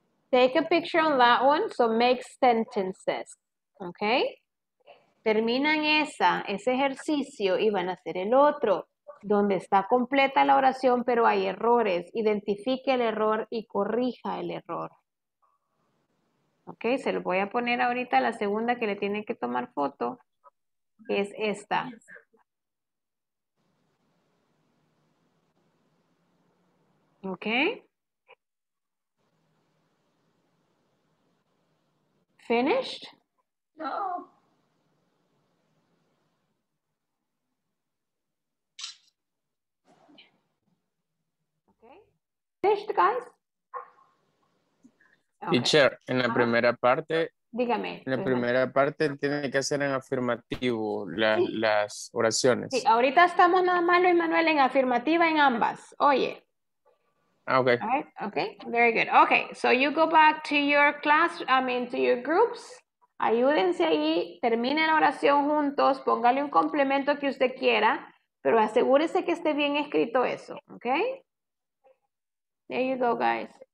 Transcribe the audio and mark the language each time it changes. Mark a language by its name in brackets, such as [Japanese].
[English] Take a picture on that one, so make sentences. Okay? [Spanish] Terminan esa, ese ejercicio y van a hacer el otro, donde está completa la oración, pero hay errores. Identifique el error y corrija el error. Ok, se lo voy a poner ahorita la segunda que le tiene que tomar foto, que es esta. Ok. [English] ¿Finished? No. Ok. ¿Finished, guys? [Spanish] Okay. Teacher, en la primera parte, dígame. En la primera parte tiene que hacer en afirmativo las oraciones. Sí, ahorita estamos nada más Luis Manuel en afirmativa en ambas. Oye. Okay. [English] Right. Okay. Very good. Okay, so you go back to your class, I mean to your groups. [Spanish] Ayúdense ahí, terminen la oración juntos, póngale un complemento que usted quiera, pero asegúrese que esté bien escrito eso, ¿okay? [English] There you go, guys.